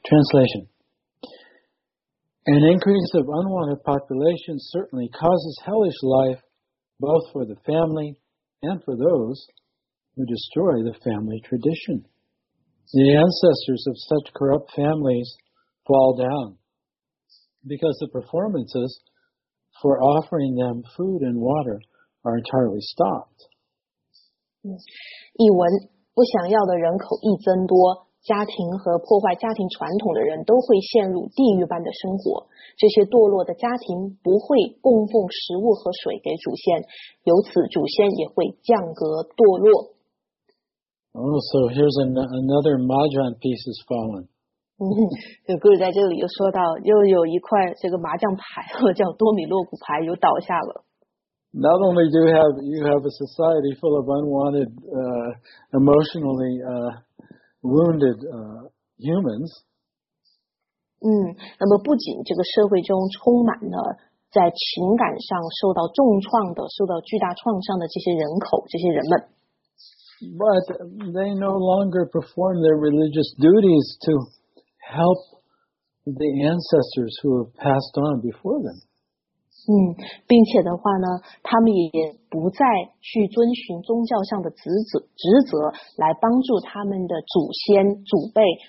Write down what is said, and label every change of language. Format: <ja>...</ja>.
<en>Translation An increase of unwanted population certainly causes hellish life both for the family and for thoseWho destroy the family tradition. The ancestors of such corrupt families fall down because the performances for offering them food and water are entirely stopped.</en> <zh>译文，不想要的人口一增多，家庭和破坏家庭传统的人都会陷入地狱般的生活。这些堕落的家庭不会供奉食物和水给祖先，由此祖先也会降格堕落。</zh> <en>Oh, so here's another mahjong piece has fallen.</en> <zh>故事在这里又说到，又有一块这个麻将牌，叫多米诺骨牌，又倒下了。</zh> <en>Not only do you have a society full of unwanted, emotionally wounded humans.</en> <zh>那么不仅这个社会中充满了在情感上受到重创的、受到巨大创伤的这些人口、这些人们。</zh> <en>But they no longer perform their religious duties to help the ancestors who have passed on before them.</en> <zh>并且的话呢，他们也不再去遵循宗教上的职责来帮助他们的祖先祖辈，</zh>